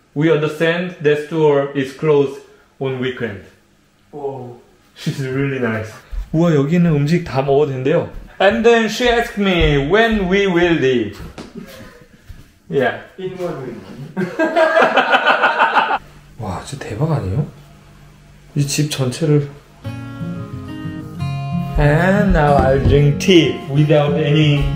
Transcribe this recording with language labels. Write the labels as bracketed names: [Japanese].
[English] We understand the store is closed on weekend. Oh, she's really nice. [Korean] 우와, 여기는 음식 다 먹어도 된대요. [English] And then she asked me when we will leave. Yeah. In 1 week. [Korean] 와, 진짜 대박 아니에요? 이 집 전체를. [English] And now I'll drink tea without any